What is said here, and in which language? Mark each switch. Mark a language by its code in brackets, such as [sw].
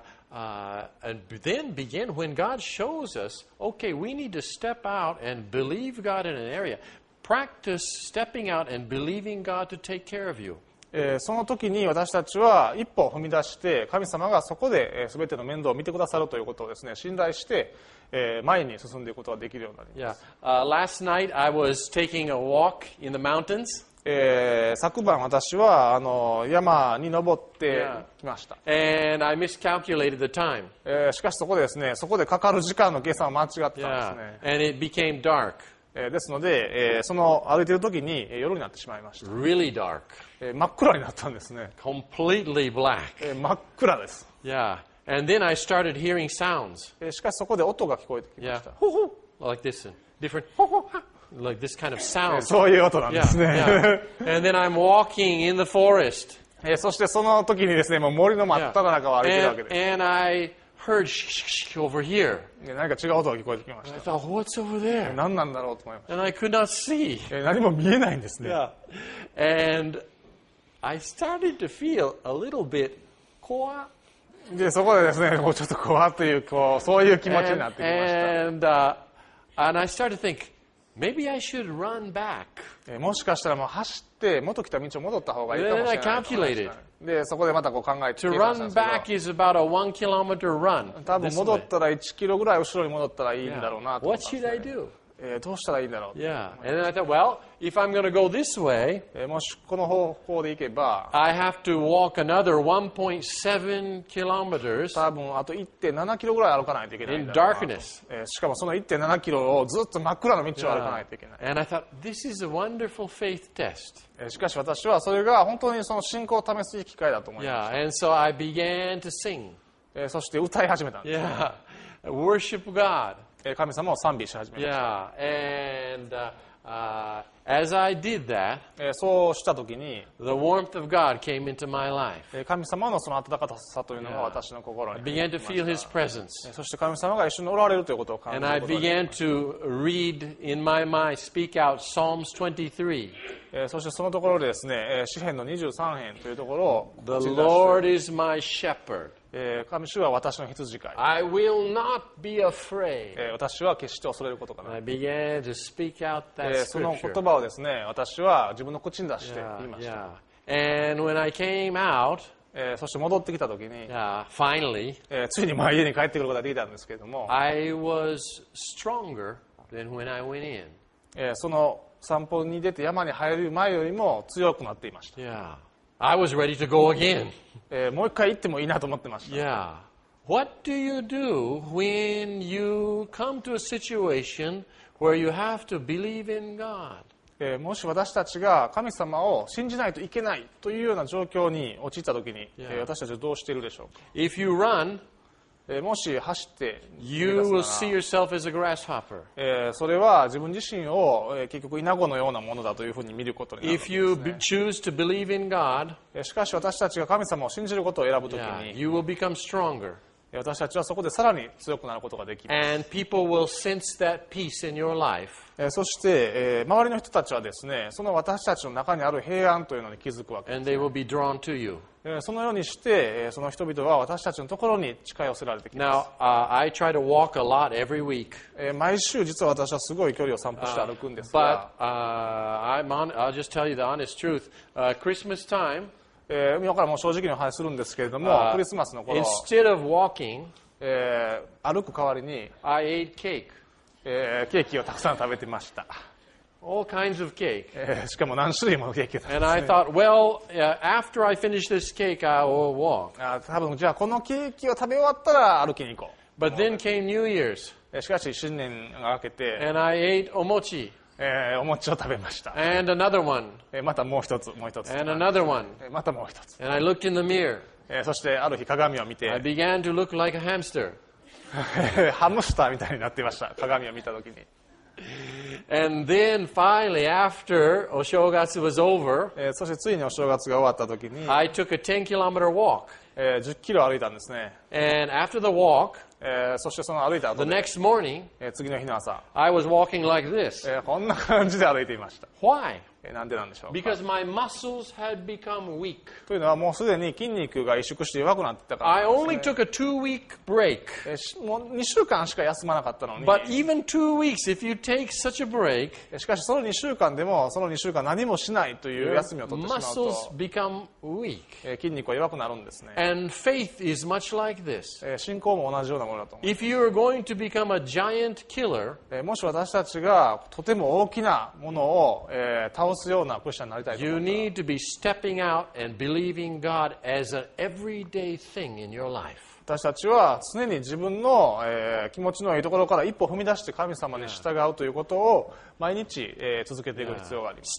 [en] And then begin when God shows us, okay, we need to step out and believe God in an area. Practice stepping out and believing God to take care of you. [ja] その時に私たちは一歩踏み出して、神様がそこで全ての面倒を見てくださるということをですね、信頼して前に進んでいくことができるようになります。 [en] Yeah. Last night I was taking a walk in the mountains. [ja] 昨晩私は山に登ってきました。 [en] Yeah. And I miscalculated the time. [ja] しかしそこでですね、そこでかかる時間の計算は間違ってたんですね。 [en] Yeah. And it became dark. [ja] ですので、その歩いている時に夜になってしまいました。 [en] Really dark. [ja] 真っ暗になったんですね。 [en] Completely black. [ja] 真っ暗です。 [en] Yeah. And then I started hearing sounds. [ja] しかしそこで音が聞こえてきました。 [en] Yeah. Ho-ho. Like this. Different. Ho-ho. Like this kind of sound. [ja] そういう音なんですね。 [en] Yeah. Yeah. And then I'm walking in the forest. [ja] そしてその時にですね、もう森の真っ只中を歩いているわけです。 [en] And I... Heard shh shh shh over here. [ja] 何か違う音が聞こえてきました。 [en] I thought, what's over there? [ja] 何なんだろうと思いました。 [en] And I could not see. [ja] 何も見えないんですね。 [en] Yeah. And I started to feel a little bit 怖。 [ja] で、そこでですね、もうちょっと怖という、こう、そういう気持ちになってきました。 [en] And I started to think, maybe I should run back. [ja] もしかしたらもう走って元来た道を戻った方がいいかもしれない。 [en] Then I calculated. [ja] でそこでまたこう考えて、 [en] To run back is about a 1 kilometer run. [ja] 多分戻ったら1キロぐらい後ろに戻ったらいいんだろうなと思います、ね。 [en] What should I do? [ja] どうしたらいいんだろう。 [en] Yeah. And then I thought, well, if I'm going to go this way, [ja] もしこの方向で行けば、 [en] I have to walk another 1.7 kilometers. [ja] 多分あと 1.7 キロぐらい歩かないといけないんだろうな。 [en] In darkness. [ja] しかもその 1.7 キロをずっと真っ暗の道を歩かないといけない。 [en] Yeah. And I thought, this is a wonderful faith test. [ja] しかし私はそれが本当にその信仰を試す機会だと思いました。 [en] Yeah, and so I began to sing. [ja] そして歌い始めたんです。 [en] Yeah, worship God. [ja] 神様を賛美し始めました。 [en] Yeah, and, as I did that, [ja] そうした時に、 [en] the warmth of God came into my life. [ja] 神様のその温かさというのが私の心に。 [en] I began to feel His presence. [ja] そして神様が一緒におられるということを感じました。 [en] And I began to read in my mind, speak out Psalms 23. [ja] そしてそのところでですね、詩編の23編というところを、 [en] The Lord is my shepherd. [ja] 神主は私の羊飼い。 [en] I will not be afraid. [ja] 私は決して恐れることがない。 [en] I began to speak out that scripture. [ja] その言葉をですね、私は自分の口に出して言いました。 [en] Yeah, yeah. And when I came out, [ja] そして戻ってきたときに、 [en] yeah, finally, [ja] ついに家に帰ってくることができたんですけれども、 [en] I was stronger than when I went in. [ja] その散歩に出て山に入る前よりも強くなっていました。 [en] Yeah. I was ready to go again. [ja] もう一回行ってもいいなと思ってました。 [en] Yeah. What do you do when you come to a situation where you have to believe in God? [ja] もし私たちが神様を信じないといけないというような状況に陥った時に、 [en] Yeah. [ja] 私たちはどうしているでしょうか。 [en] If you run, [ja] もし走って [en] You will see yourself as a grasshopper. [ja] それは自分自身を結局イナゴのようなものだというふうに見ることになるわけですね。 [en] If you choose to believe in God, [ja] しかし私たちが神様を信じることを選ぶときに [en] You will become stronger. [ja] 私たちはそこでさらに強くなることができます。 [en] And people will sense that peace in your life. [ja] そして周りの人たちはですね、その私たちの中にある平安というのに気づくわけです。 [en] And they will be drawn to you. [ja] そのようにして、その人々は私たちのところに近寄せられてきます。 [en] Now, I try to walk a lot every week. [ja] 毎週実は私はすごい距離を散歩して歩くんですが。 [en] But, I'll just tell you the honest truth. Christmas time, [ja] 今からもう正直にお話するんですけれども、クリスマスの頃、 [en] instead of walking, [ja] 歩く代わりに、 [en] I ate cake. [ja] ケーキをたくさん食べてました。 [en] All kinds of cake. [ja] しかも何種類ものケーキだったんですね。 [en] And I thought, well, after I finish this cake, I will walk. [ja] 多分じゃあこのケーキを食べ終わったら歩きに行こう。 [en] But then came New Year's. [ja] しかし新年が明けて。 [en] And I ate お餅。 [ja] お餅を食べました。 [en] And another one. [ja] またもう一つ、もう一つ。 [en] And another one. [ja] またもう一つ。 [en] And I looked in the mirror. [ja] そしてある日鏡を見て。 [en] I began to look like a hamster. [ja] ハムスターみたいになっていました。鏡を見たときに。 [en] And then finally, after お正月 was over, [ja] そしてついにお正月が終わったときに、 [en] I took a 10 kilometer walk. [ja] 10キロ歩いたんですね。 [en] And after the walk, [ja] そしてその歩いた後で、 [en] the next morning, [ja] 次の日の朝、 [en] I was walking like this. [ja] こんな感じで歩いていました。 [en] Why? [ja] なんでなんでしょう。 [en] Because my muscles had become weak. [ja] というのはもうすでに筋肉が萎縮して弱くなってたからです、ね。 [en] I only took a 2 week break. [ja] もう2週間しか休まなかったのに。 [en] But even 2 weeks, if you take such a break, [ja] しかしその2週間でもその2週間何もしないという休みを取ってしまうと、 [en] muscles become weak. [ja] 筋肉は弱くなるんですね。 [en] And faith is much like this. [ja] 信仰も同じようなものだと思う。 [en] If you are going to become a giant killer, [ja] もし私たちがとても大きなものを倒すようなクリスチャンになりたいと思ったら、 [en] You need to be stepping out and believing God as an everyday thing in your life. [ja] 私たちは常に自分の、気持ちのいいところから一歩踏み出して神様に従うということを毎日、続けていく必要があります。